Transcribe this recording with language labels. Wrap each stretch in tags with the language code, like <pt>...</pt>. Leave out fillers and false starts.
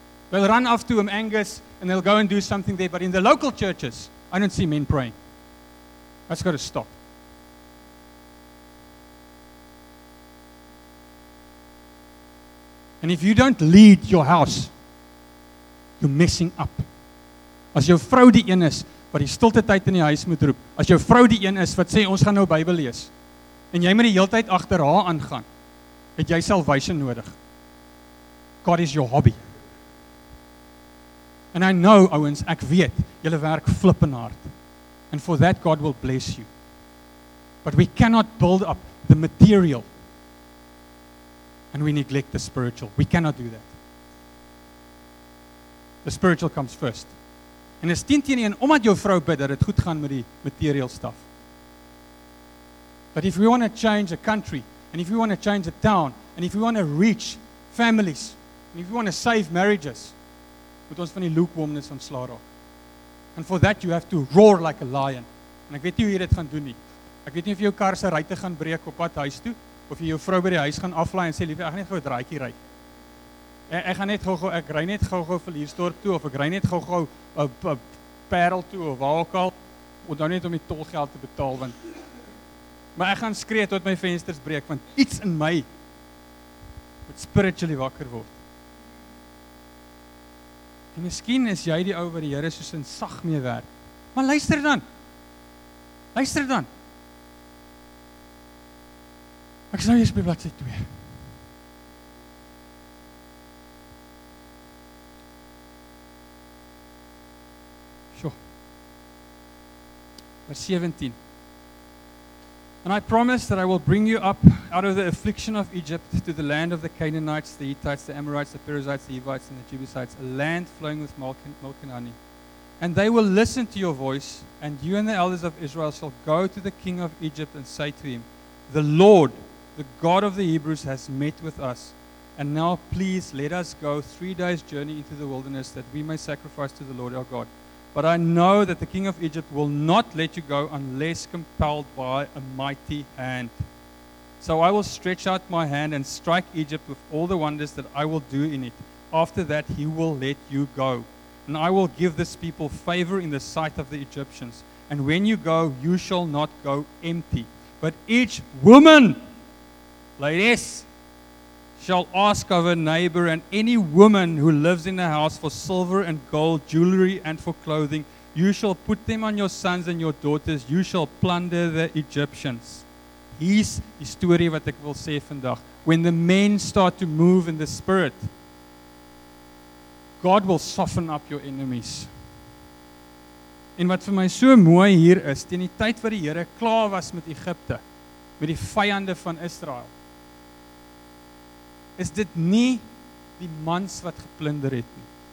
<en>They'll run off to Angus and they'll go and do something there, but in the local churches, I don't see men praying. That's got to stop. And if you don't lead your house, you're messing up.</en> <af>As jou vrou die een is, wat die stilte tyd in die huis moet roep. As jou vrou die een is wat sê ons gaan nou Bybel lees en jy moet die heeltyd agter haar aangaan, het jy salvation nodig.</af> <en>God is your hobby. And I know,</en> <af>ouens, ek weet, julle werk flippin' hard.</af> <en>And for that God will bless you. But we cannot build up the material and we neglect the spiritual. We cannot do that. The spiritual comes first.</en> <af>En is 10-1, omdat jou vrou bid, dat het goed gaan met die</af> <en>material stuff. But if we want to change a country, and if we want to change a town, and if we want to reach families, and if we want to save marriages,</en> <af>moet ons van die lukewarmness ontslaa raak.</af> <en>And for that you have to roar like a lion.</en> <af>En ek weet nie hoe jy dit gaan doen nie. Ek weet nie of jy jou kar se ruite gaan breek op pad huis toe, of jy jou vrou by die huis gaan aflaai en sê, liefie, ek gaan net gou 'n draaitjie ry. Ek gaan net gou-gou, ek ry net gou-gou vir Hierstorp toe, of ek ry net gou-gou op Parel toe, of waar ook al, om dan net om die tolgeld te betaal, want, maar ek gaan skree tot my vensters breek, want iets in my moet spiritually wakker word. En miskien is jy die ou wat die Here soos in sag mee werk, maar luister dan, ek is nou eers by bladsy 2, Vers 17.</af> <en>And I promise that I will bring you up out of the affliction of Egypt to the land of the Canaanites, the Hittites, the Amorites, the Perizzites, the Hivites, and the Jebusites, a land flowing with milk and honey. And they will listen to your voice, and you and the elders of Israel shall go to the king of Egypt and say to him, the Lord, the God of the Hebrews, has met with us. And now please let us go 3 days' journey into the wilderness that we may sacrifice to the Lord our God. But I know that the king of Egypt will not let you go unless compelled by a mighty hand. So I will stretch out my hand and strike Egypt with all the wonders that I will do in it. After that, he will let you go. And I will give this people favor in the sight of the Egyptians. And when you go, you shall not go empty. But each woman, ladies, shall ask of her neighbor and any woman who lives in the house for silver and gold, jewelry and for clothing. You shall put them on your sons and your daughters. You shall plunder the Egyptians.</en> <af>Hier die storie wat ek wil sê vandag.</af> <en>When the men start to move in the spirit, God will soften up your enemies.</en> <af>En wat vir my so mooi hier is, teen die tyd wat die Here klaar was met Egypte, met die vyande van Israel, is dit nie die mans wat geplunder het nie.</af>